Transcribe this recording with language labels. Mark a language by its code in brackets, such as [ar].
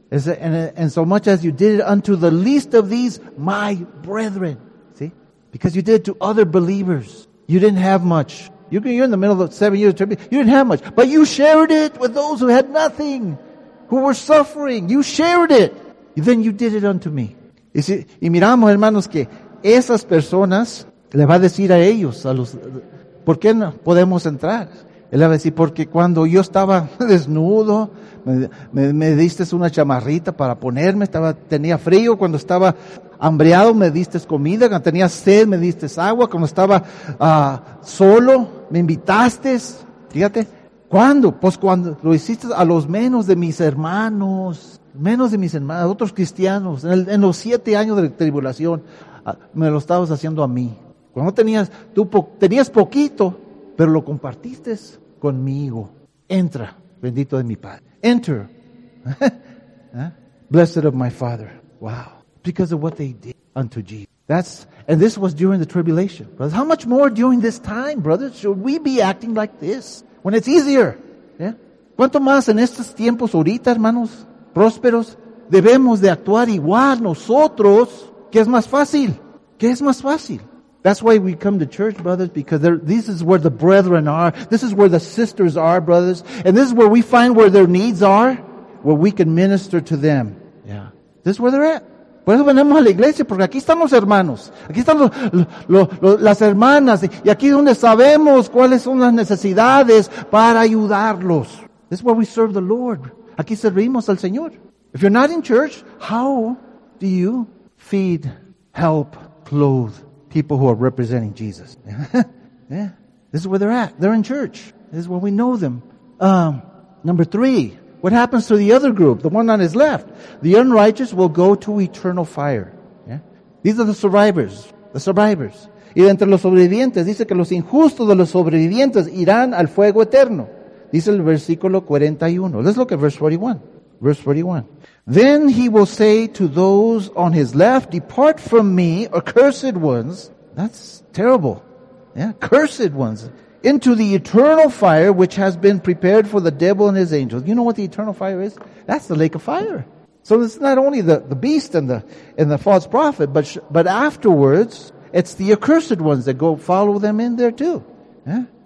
[en] And so much as you did it unto the least of these, my brethren. See? Because you did it to other believers. You didn't have much. You're in the middle of 7 years of tribulation. You didn't have much. But you shared it with those who had nothing, who were suffering. You shared it. Then you did it unto me. [es] Y miramos, hermanos, que esas personas le va a decir a ellos, a los, ¿por qué no podemos entrar? Él va a decir, porque cuando yo estaba desnudo, me diste una chamarrita para ponerme, tenía frío, cuando estaba hambriado me diste comida, cuando tenía sed me diste agua, cuando estaba solo me invitaste, fíjate, ¿cuándo? Pues cuando lo hiciste a los menos de mis hermanos, otros cristianos, en los 7 años de tribulación, me lo estabas haciendo a mí, cuando tenías poquito, pero lo compartiste conmigo. Entra, bendito de mi padre. [en] Enter. Blessed of my father. Wow. Because of what they did unto Jesus. And this was during the tribulation. Brothers, how much more during this time, brothers, should we be acting like this? When it's easier. Yeah? [es] ¿Cuánto más en estos tiempos ahorita, hermanos, prósperos, debemos de actuar igual nosotros? ¿Qué es más fácil? ¿Qué es más fácil? [en] That's why we come to church, brothers, because this is where the brethren are. This is where the sisters are, brothers. And this is where we find where their needs are, where we can minister to them. Yeah. This is where they're at. [es] Por eso venimos a la iglesia, porque aquí están los hermanos, aquí están las hermanas, y aquí es donde sabemos cuáles son las necesidades para ayudarlos. [en] This is where we serve the Lord. [es] Aquí servimos al Señor. [en] If you're not in church, how do you feed, help, clothe people who are representing Jesus? Yeah. This is where they're at. They're in church. This is where we know them. Number three, what happens to the other group, the one on his left? The unrighteous will go to eternal fire. Yeah. These are the survivors, the survivors. [es] Y entre los sobrevivientes, dice que los injustos de los sobrevivientes irán al fuego eterno. Dice el versículo 41. [en] Let's look at verse 41. Verse 41. Then he will say to those on his left, depart from me, accursed ones. That's terrible. Yeah, cursed ones. Into the eternal fire which has been prepared for the devil and his angels. You know what the eternal fire is? That's the lake of fire. So it's not only the beast and the false prophet, but afterwards, it's the accursed ones that go follow them in there too. Yeah?